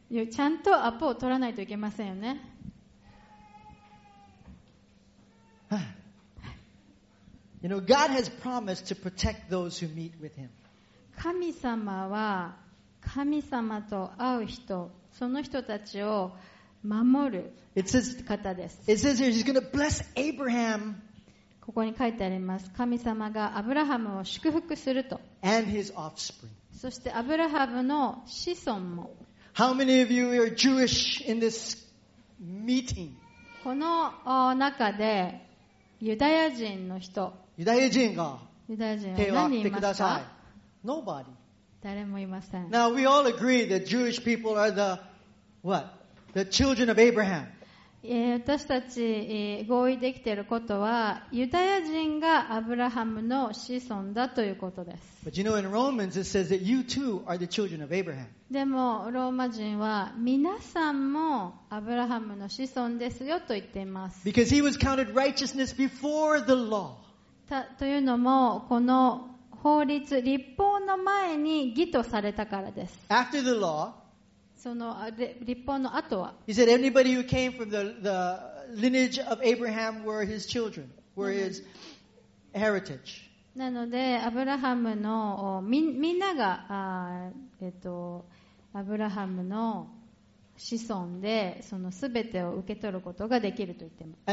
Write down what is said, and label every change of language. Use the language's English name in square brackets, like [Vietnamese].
[Japanese] ちゃんとアポを取らないといけませんよね。 [English] You know, God has promised to protect those who meet with Him. [Japanese] 神様は神様と会う人、その人たちを守る方です。 [English] It says here, He's going to bless Abraham. [Japanese] ここに書いてあります。神様がアブラハムを祝福すると。 [English] And his offspring. [Japanese] そしてアブラハムの子孫も。 [English] How many of you are Jewish in this meeting? [Japanese] この中で、ユダヤ人の人、ユダヤ人が、ユダヤ人は何人いますか？ [English] Nobody. [Japanese] 誰もいません。 [English] Now we all agree that Jewish people are the what? The children of Abraham. [Japanese] 私たち合意できていることは、ユダヤ人がアブラハムの子孫だということです。 [English] But you know, in Romans it says that you too are the children of Abraham. [Japanese] でもローマ人は皆さんもアブラハムの子孫ですよと言っています。 [English] Because he was counted righteousness before the law. [Japanese] というのもこの法律、立法の前に義とされたからです。 [English] After the law, [Japanese] その立法の後は。 [English] He said anybody who came from the lineage of Abraham were his children, were his heritage. [Japanese] なのでアブラハムのみんなが、アブラハムの子孫でそのすべてを受け取ることができると言っています。